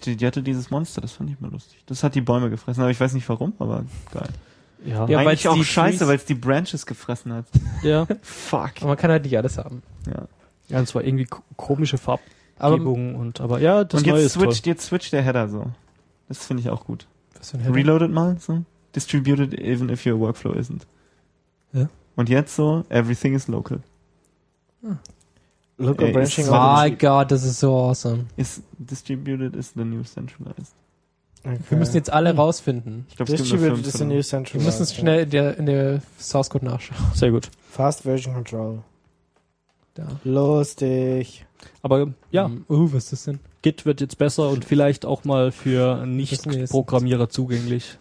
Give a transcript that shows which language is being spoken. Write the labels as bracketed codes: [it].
[de] Die hatte dieses Monster. Das fand ich mal lustig. Das hat die Bäume gefressen. Aber ich weiß nicht warum, aber geil. Ja, weil ich auch scheiße, weil es die Branches gefressen hat. Ja. Fuck. Aber man kann halt nicht alles haben. Ja, und zwar irgendwie komische Farbgebung aber ja, das neue ist switcht, toll. Jetzt switcht der Header so. Das finde ich auch gut. Was für ein Header? Reloaded mal so. [en] Distributed even if your workflow isn't. [de] Ja. Und jetzt so, [en] everything is local. Local branching. My God, this is so awesome. Is distributed is the new centralized. [de] Okay. Wir müssen jetzt alle rausfinden. [en] Distributed is the new centralized. [de] Wir müssen es schnell in der Source Code nachschauen. Sehr gut. [en] Fast version control. [de] Da. Lustig. Aber ja. Was ist das denn? Git wird jetzt besser und vielleicht auch mal für Nicht-Programmierer zugänglich.